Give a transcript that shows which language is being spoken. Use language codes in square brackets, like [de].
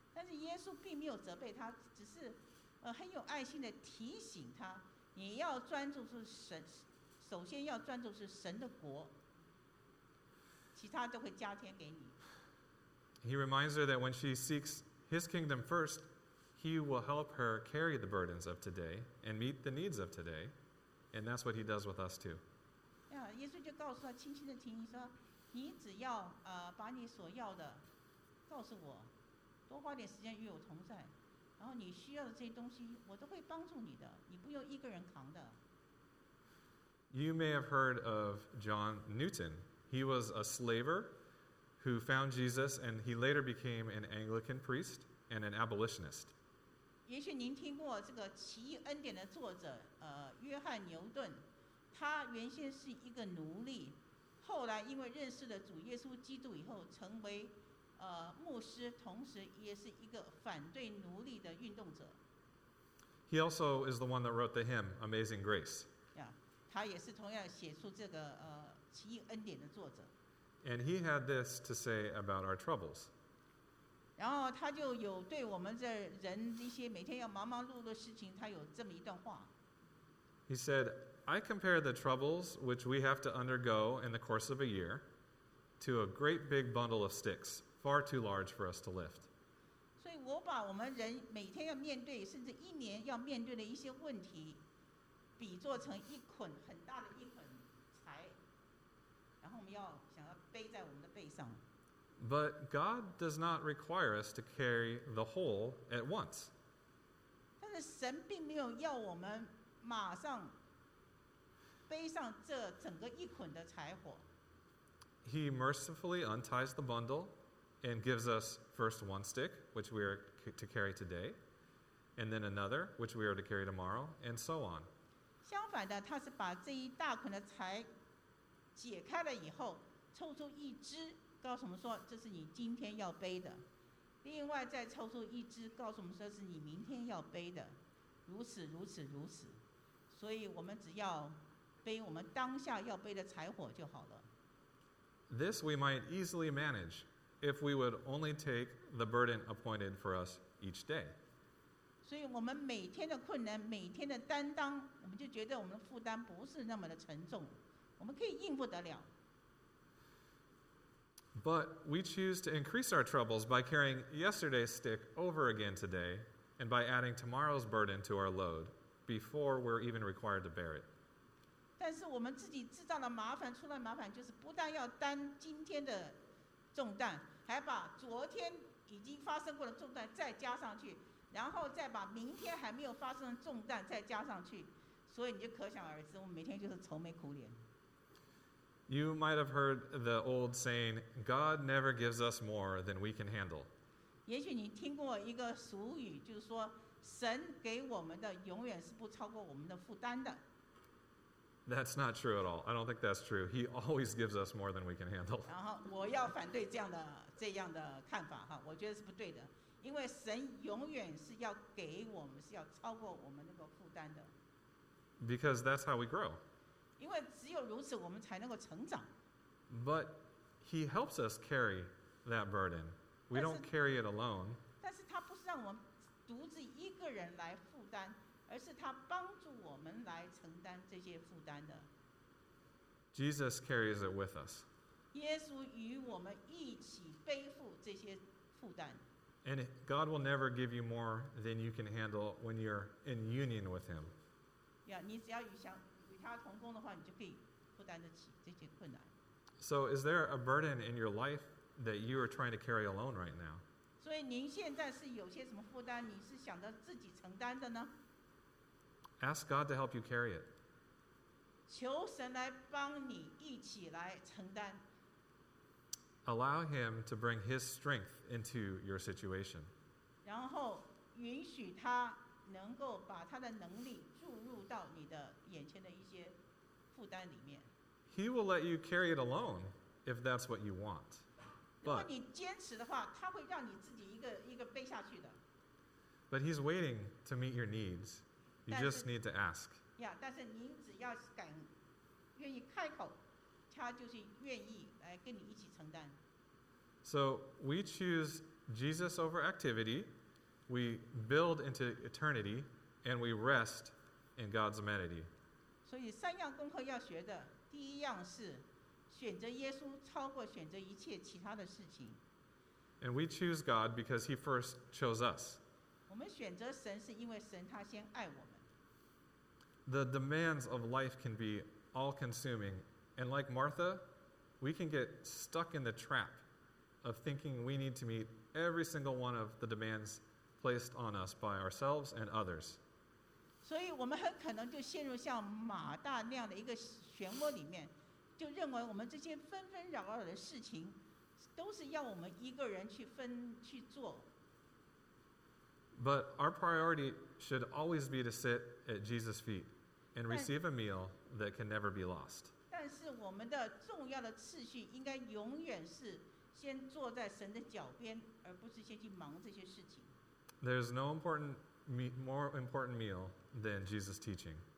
[en] He reminds her that when she seeks His kingdom first, He will help her carry the burdens of today and meet the needs of today, And that's what he does with us too. Yeah, [zh] 耶稣就告诉他，轻轻地提醒说，你只要把你所要的告诉我，多花点时间与我同在，然后你需要的这些东西，我都会帮助你的，你不用一个人扛的。 [en] You may have heard of John Newton. He was a slaver who found Jesus, and he later became an Anglican priest and an abolitionist. [zh] 也许您听过这个《奇异恩典》的作者，约翰牛顿，他原先是一个奴隶，后来因为认识了主耶稣基督以后，成为牧师，同时也是一个反对奴隶的运动者。 [en] He also is the one that wrote the hymn "Amazing Grace." Yeah. [zh] 他也是同样写出这个奇异恩典的作者。 [en] And he had this to say about our troubles. [zh] 然后他就有对我们这人一些每天要忙忙碌碌的事情，他有这么一段话。 [en] He said, "I compare the troubles which we have to undergo in the course of a year to a great big bundle of sticks, far too large for us to lift." [zh] 所以我把我们人每天要面对，甚至一年要面对的一些问题。比做成一捆很大的一捆柴，然后我们要想要背在我们的背上。 [en] But God does not require us to carry the whole at once. [zh] 但是神并没有要我们马上背上这整个一捆的柴火。 [en] He mercifully unties the bundle and gives us first one stick, which we are to carry today, and then another, which we are to carry tomorrow, and so on. [zh] 相反的，他是把这一大捆的柴解开了以后，抽出一只，告诉我们说，这是你今天要背的；另外再抽出一只，告诉我们说，是你明天要背的。如此，如此，如此。所以我们只要背我们当下要背的柴火就好了。 [en] This we might easily manage if we would only take the burden appointed for us each day. [zh] 所以我们每天的困难，每天的担当，我们就觉得我们的负担不是那么的沉重，我们可以应付得了。 [en] But we choose to increase our troubles by carrying yesterday's stick over again today, and by adding tomorrow's burden to our load before we're even required to bear it. [zh] 但是我们自己制造的麻烦，出了麻烦，就是不但要担今天的重担，还把昨天已经发生过的重担再加上去。然后再把明天还没有发生的重担再加上去，所以你就可想而知，我们每天就是愁眉苦脸。 [en] You might have heard the old saying, "God never gives us more than we can handle." [zh] 也许你听过一个俗语，就是说神给我们的永远是不超过我们的负担的。 [en] That's not true at all. I don't think that's true. He always gives us more than we can handle. [zh] 然后我要反对这样的看法哈，我觉得是不对的。因为神永远是要给我们，是要超过我们那个负担的。 [en] Because that's how we grow. [zh] 因为只有如此，我们才能够成长。 [en] But he helps us carry that burden. We don't carry it alone. [zh] 但是他不是让我们独自一个人来负担，而是他帮助我们来承担这些负担的。 [en] Jesus carries it with us. [zh] 耶稣与我们一起背负这些负担。 [en] And God will never give you more than you can handle when you're in union with Him. Yeah, [zh] 你只要与他同工的话，你就可以负担得起这些困难。 [en] So, is there a burden in your life that you are trying to carry alone right now? [zh] 所以您现在是有些什么负担，你是想着自己承担的呢？ [en] Ask God to help you carry it. [zh] 求神来帮你一起来承担。 [en] Allow him to bring his strength into your situation. [zh] 然后允许他能够把他的能力注入到你的眼前的一些负担里面。 [en] He will let you carry it alone if that's what you want. [zh] 如果你坚持的话，他会让你自己一个背下去的。 [en] But he's waiting to meet your needs. You just need to ask. [zh] 但是您只要敢愿意开口。他就是愿意来跟你一起承担。 [en] So we choose Jesus over activity, we build into eternity, and we rest in God's amenity. [zh] 所以三样功课要学的，第一样是选择耶稣超过选择一切其他的事情。 [en] And we choose God because He first chose us. [zh] 我们选择神是因为神他先爱我们。 [en] The demands of life can be all-consuming. And like Martha, we can get stuck in the trap of thinking we need to meet every single one of the demands placed on us by ourselves and others. [zh] 所以我们很可能就陷入像马大那样的一个漩涡里面，就认为我们这些纷纷扰扰的事情，都是要我们一个人去做。 [en] But our priority should always be to sit at Jesus' feet and receive a meal that can never be lost. [zh] 但是我们的重要的次序应该永远是先坐在神的脚边，而不是先去忙这些事情。 [en] There's no important more important meal than Jesus' teaching.